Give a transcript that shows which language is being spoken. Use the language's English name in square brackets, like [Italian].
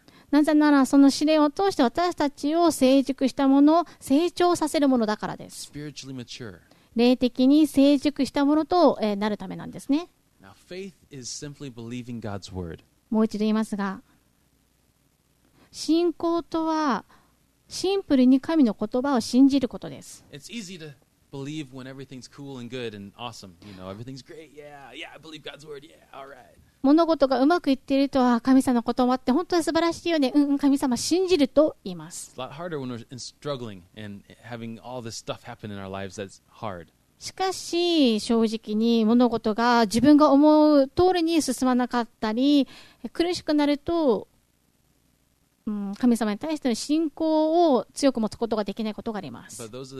[Japanese] なぜならその試練を通して私たちを成熟したもの、成長させるものだからです。霊的に成熟したものと、なるためなんですね。 [English] Now, faith is simply believing God's word. [Japanese] もう一度言いますが、信仰とはシンプルに神の言葉を信じることです。 [English] Believe when everything's cool and good and awesome. You know, everything's great. Yeah, I believe God's word. Yeah, all right. [Japanese] 物事がうまくいっているとは、神様の言葉って本当に素晴らしいよね。神様信じると言います。 [English] It's a lot harder when we're struggling and having all this stuff happen in our lives. That's hard. [Japanese] しかし、正直に物事が自分が思う通りに進まなかったり、苦しくなると、神様に対しての信仰を強く持つことができないことがあります。